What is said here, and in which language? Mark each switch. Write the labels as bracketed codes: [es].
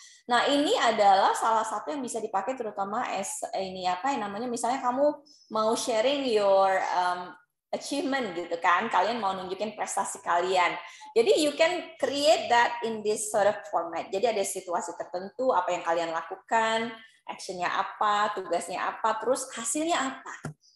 [id] Nah, ini adalah salah satu yang bisa dipakai terutama misalnya kamu mau [en] sharing your achievement [id] gitu kan, kalian mau nunjukin prestasi kalian. [en] Jadi you can create that in this sort of format. [id] Jadi ada situasi tertentu, apa yang kalian lakukan, action-nya apa, tugasnya apa, terus hasilnya apa.